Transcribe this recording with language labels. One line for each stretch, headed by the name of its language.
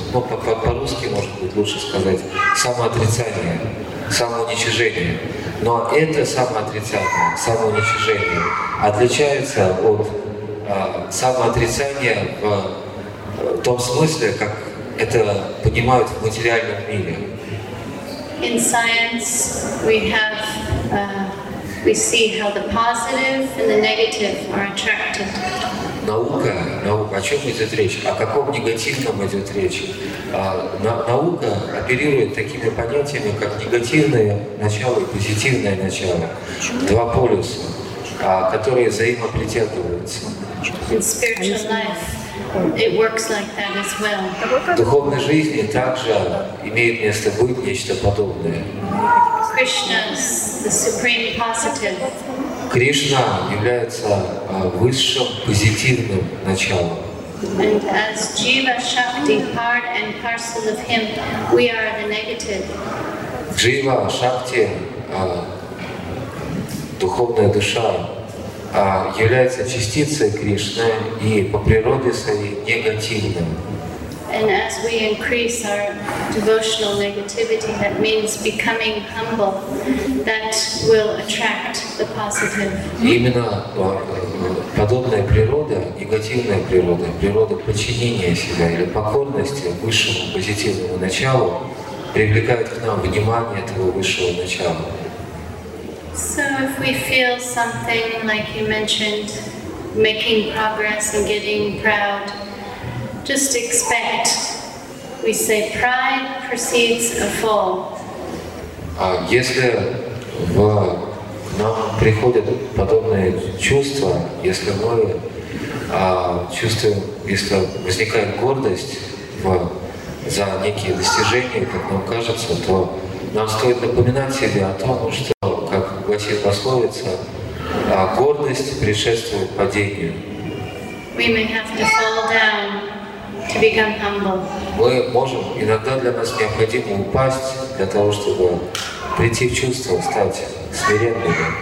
Russian: Ну, по-русски, может быть, лучше сказать самоотрицание, самоуничижение. Но это самоотрицание, самоуничижение отличается от самоотрицания в том смысле, как это понимают в материальном мире.
English: In science we have we see how the positive and the negative are attracted.
Russian: Наука, о чем идет речь? О каком негативном идет речь? Наука оперирует такими понятиями, как негативное начало и позитивное начало. Два полюса, которые взаимопритягиваются.
English: In spiritual life, it works like that as well.
Russian: В духовной жизни также имеет место быть нечто подобное.
English: Krishna's the supreme positive.
Russian: Кришна является высшим позитивным началом.
English: And as Jiva Shakti, part and parcel of him, we are the negative.
Russian: Jiva Shakti, духовная душа, является частицей Кришны и по природе своей негативным.
English: And as we increase our devotional negativity, that means becoming humble, that will attract the positive.
Russian: Именно подобная природа, негативная природа, природа подчинения себя или покорности высшему позитивному началу привлекает к нам внимание этого высшего начала.
English: So if we feel something, like you mentioned, making progress and getting proud, just expect, we say, pride precedes a fall.
Russian: Если в нам приходят подобные чувства, если мы чувствуем, если возникает гордость за некие достижения, как нам кажется, то нам стоит напоминать себе о том, что, как гласит пословица, гордость предшествует падению.
English: We may have to fall down to become humble.
Russian: Мы можем, иногда для нас необходимо упасть для того, чтобы прийти в чувство, стать смиренными.